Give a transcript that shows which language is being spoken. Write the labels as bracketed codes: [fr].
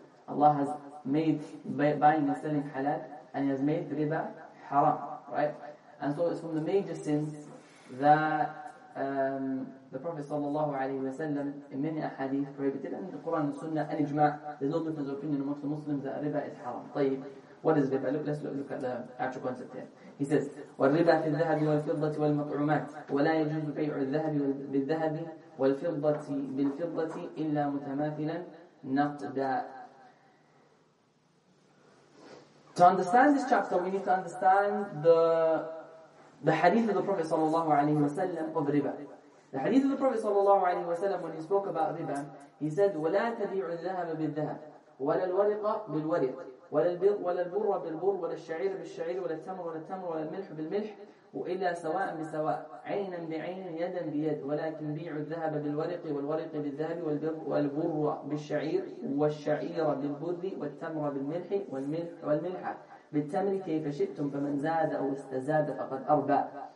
[en] Allah has made buying and selling halal, and He has made riba haram. Right? And so it's from the major sins that the Prophet sallallahu alaihi wasallam in many ahadith prohibited, and the Quran, the Sunnah, and Ijma, there's no difference of opinion amongst the Muslims that riba is haram. طيب, what is riba? Let's look at the actual concept here. He says, [ar] والربا في الذهب والفضة والمطعومات ولا يجوز بيع الذهب بالذهب والفضة بالفضة إلا متماثلا نقدا. [en] To understand this chapter, we need to understand the hadith of the Prophet sallallahu alaihi wasallam of riba. The hadith of the Prophet sallallahu alaihi wasallam, when he spoke about riba, he said, [ar] وَلَا تَبِيعُ الذَّهَبَ بِالذَّهَبِ وَلَا الْوَرِقَ بِالْوَرِقِ وَلَا الْبُرَّ بِالْبُرِّ وَلَا الشَّعِيرَ بِالشَّعِيرِ وَلَا التَّمْرَ وَلَا التَّمْرَ وَلَا الْمِلْحُ بِالْمِلْحِ وَإِلَّا سَوَاءً بِسَوَاءٍ عَيْنًا بِعَيْنٍ يَدًا بِيَدٍ وَلَكِنْ بِيعُ الذَّهَبَ بِالْوَرِقِ وَالْوَرِقِ بِالذَّهَبِ وَالْبُرَّ بِالشَّعِيرِ وَالشَّعِيرَ بِالْبُرِّ وَالتَّمْرَ بِالْمِلْحِ وَالْمِلْحَ بِالتَّمْرِ كَيْفَ شِئْتُمْ فَمَنْ زَادَ أَوْ اسْتَزَادَ فَقَدْ أَرْبَى.